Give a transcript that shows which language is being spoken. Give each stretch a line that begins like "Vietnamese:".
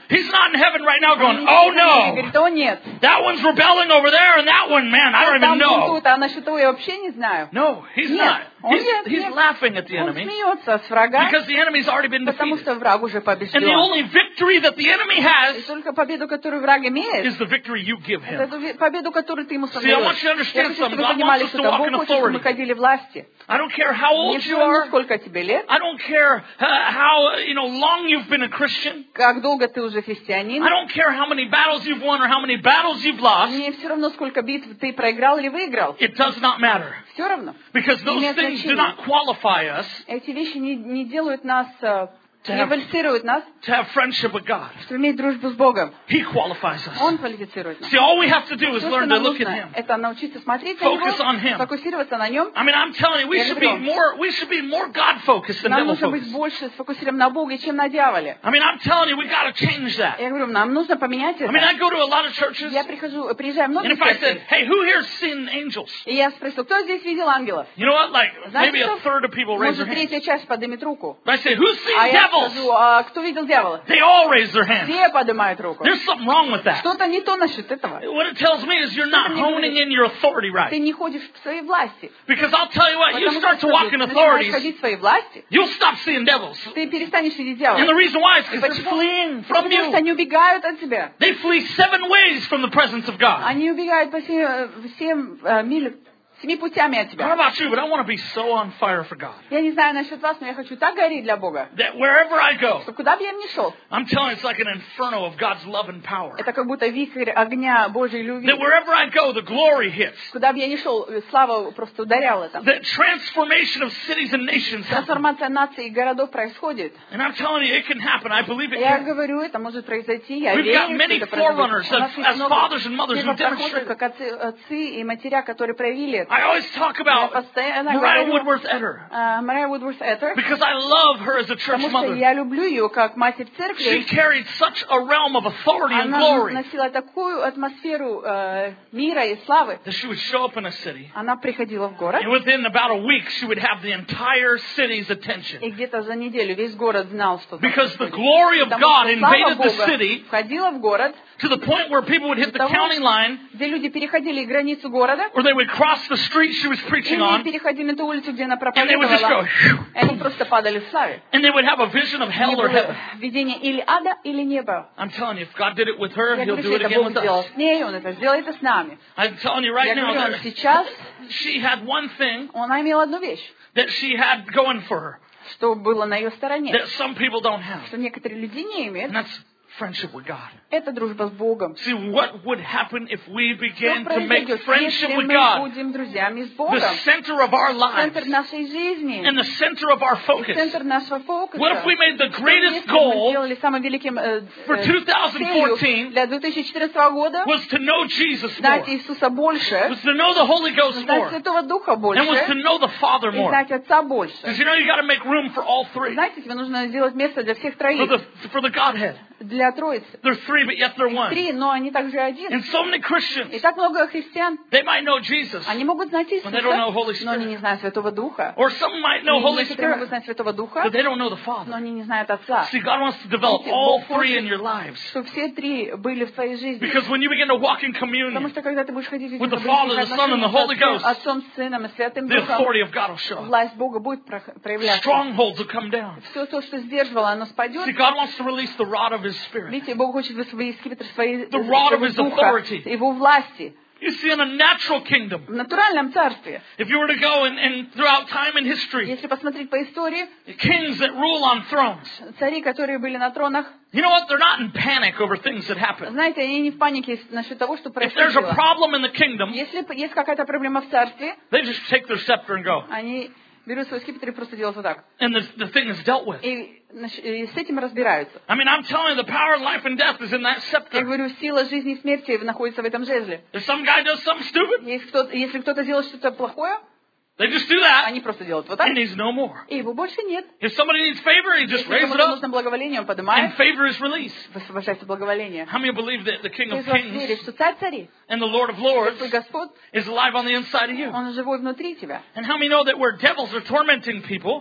English: He's not in heaven right now going, oh no.
Russian: Говорит, о нет.
English: That one's rebelling over there and that one, man, I don't even know.
Russian: Там тут, а насчет того я вообще не знаю.
English: No, he's not. He's laughing at the
Russian: он
English: enemy.
Russian: Он смеется с врага.
English: Because the enemy's already been defeated.
Russian: Потому что враг уже победил.
English: And the only victory that the enemy has
Russian: и только победу, которую враг имеет,
English: is the victory you give him.
Russian: Это победу, которую ты ему сам
English: See, I want you to understand something. God wants us to walk in authority.
Russian: Власти.
English: I don't care how old you are.
Russian: Сколько тебе лет.
English: I don't care how you know long you've been a Christian.
Russian: Как долго ты уже христианин.
English: I don't care how many battles you've won or how many battles you've lost.
Russian: Мне все равно, сколько битв ты проиграл или выиграл.
English: It does not matter.
Russian: Все равно.
English: Because those things do not qualify us.
Russian: Эти вещи не делают нас
English: To have friendship with God.
Russian: Чтобы иметь дружбу с Богом.
English: He qualifies us.
Russian: Он квалифицирует нас.
English: See, all we have to do is learn to look at Him.
Russian: Это научиться смотреть
English: Focus
Russian: на Него. Фокусироваться на Нем.
English: I mean, I'm telling you, we should be more God-focused than devil focused.
Russian: Нам нужно быть больше сфокусированным на Боге, чем на дьяволе.
English: I mean, I'm telling you, we got to change that.
Russian: Я говорю, нам нужно поменять это.
English: I mean, I go to a lot of churches.
Russian: Я приезжаю в много церквей.
English: And if I said, hey, who here has seen angels?
Russian: И я спросил, кто здесь видел ангелов?
English: You know what? Like, maybe a third of people raise their hands.
Russian: Может, третья часть поднимет руку.
English: I say, who's seen angels?
Russian: Кто видел дьявола?
English: They all raise their hands.
Russian: Все поднимают руку.
English: There's something wrong with that.
Russian: Что-то не то насчет этого.
English: What it tells me is you're not honing in your authority right.
Russian: Ты не ходишь в своей власти.
English: Because I'll tell you what, you start to walk in authority.
Russian: Начинаешь ходить в своей власти.
English: You'll stop seeing devils.
Russian: Ты перестанешь видеть дьявола.
English: And the reason why is because they're fleeing from you.
Russian: Потому что они убегают от тебя.
English: They flee seven ways from the presence of God.
Russian: Они убегают по семи путями от тебя.
English: What about you? But I want to be so on fire for God.
Russian: Я не знаю насчет вас, но я хочу так гореть для Бога.
English: That wherever I go.
Russian: Что куда бы я ни шел.
English: I'm telling you, it's like an inferno of God's love and power.
Russian: Это как будто вихрь огня Божьей любви.
English: That wherever I go, the glory hits.
Russian: Куда бы я ни шел, слава просто ударяла там.
English: The transformation of cities and nations.
Russian: Трансформация наций и городов происходит.
English: And I'm telling you, it can happen. I believe it can.
Russian: Я говорю, это может произойти. Я верю, что это произойдет.
English: We've got many forerunners as fathers and mothers who demonstrated.
Russian: Как отцы и матеря, которые проявили это.
English: I always talk about Mariah Woodworth Etter. Because I love her as a church mother.
Russian: Потому что я люблю ее как матерь церкви.
English: She carried such a realm of authority and glory.
Russian: Она носила такую атмосферу мира и славы.
English: That she would show up in a city.
Russian: Она приходила в город.
English: And within about a week, she would have the entire city's attention.
Russian: И где-то за неделю весь город знал, что.
English: Because the glory of God invaded the city.
Russian: Входила в город.
English: To the point where people would hit the county line.
Russian: Где люди переходили границу города.
English: Or they would cross the street she was preaching on.
Russian: Переходили на ту улицу, где она проповедовала.
English: And they
Russian: просто падали в славе.
English: And they would have a vision of hell or heaven.
Russian: Видение или ада или неба.
English: I'm telling you, if God did it with her, He'll do it again with us.
Russian: Не, он это сделал это с нами.
English: I'm telling you right now.
Russian: Сейчас.
English: She had one thing.
Russian: Она имела одну вещь.
English: That she had going for her.
Russian: Что было на ее стороне.
English: That some people don't have.
Russian: Что некоторые люди не имеют.
English: Friendship with God.
Russian: Это дружба с Богом.
English: See what would happen if we began to make friendship with God.
Russian: Будем друзьями с Богом.
English: The center of our lives.
Russian: Центр нашей жизни.
English: And the center of our focus.
Russian: Центр нашего фокуса.
English: What if we made the greatest goal?
Russian: Сделали самым великим
English: for 2014.
Russian: Для 2014 года.
English: Was to know Jesus more.
Russian: Знать Иисуса больше.
English: Was to know the Holy Ghost more.
Russian: Знать Святого Духа больше.
English: And was to know the Father more.
Russian: И знать Отца больше.
English: Because you know you got to make room for all three.
Russian: Знаете, тебе нужно сделать место для всех троих.
English: For the Godhead.
Russian: Для Троицы.
English: They're three, but yet they're one.
Russian: Три, но они также один.
English: And so many Christians.
Russian: И так много христиан.
English: They might know Jesus.
Russian: Они могут знать Иисуса.
English: But they don't know Holy Spirit.
Russian: Но они не знают Святого Духа.
English: Or some might know Holy Spirit.
Russian: Некоторые могут знать Святого Духа.
English: But they don't know the Father.
Russian: Но они не знают Отца.
English: See, God wants to develop all three in your lives.
Russian: Чтобы все три были в твоей жизни.
English: Because when you begin to walk in communion.
Russian: Потому что когда ты будешь ходить в
English: With the Father, the Son, and the Holy Ghost.
Russian: Отцом, Сыном и Святым
English: Духом. The authority of God will show.
Russian: Власть Бога будет проявляться.
English: Strongholds will come down.
Russian: Все то, что сдерживало, оно спадет.
English: See, God wants to release the rod of His
Russian: Видите, Бог хочет высвободить скипетр своей духа, его власти.
English: You see, in a natural kingdom.
Russian: В натуральном царстве.
English: If you were to go and throughout time and history.
Russian: Если посмотреть по истории.
English: Kings that rule on thrones.
Russian: Цари, которые были на тронах.
English: You know what? They're not in panic over things that happen.
Russian: Знаете, они не в панике насчет того, что происходит.
English: If there's a problem in the kingdom.
Russian: Если есть какая-то проблема в царстве.
English: They just take their scepter and go.
Russian: Они берут свой скипетр и просто делают вот так.
English: And the thing is dealt with.
Russian: И с этим разбираются.
English: I mean, I'm telling you, the power of life and death is in that scepter.
Russian: Я говорю, сила жизни и смерти находится в этом жезле.
English: If some guy does something stupid,
Russian: если кто-то делает что-то плохое,
English: they just do that.
Russian: Они просто делают вот так.
English: And he's no more.
Russian: И его больше нет.
English: If somebody needs favor, he just raises it up.
Russian: Если нужно благоволение, он поднимает.
English: And favor is released.
Russian: Высвобождается благоволение.
English: How many believe that the King of Kings,
Russian: верит, что царь царей,
English: and the Lord of Lords,
Russian: Господь, Господь,
English: is alive on the inside of you?
Russian: Он живой внутри тебя.
English: And how many know that where devils are tormenting people,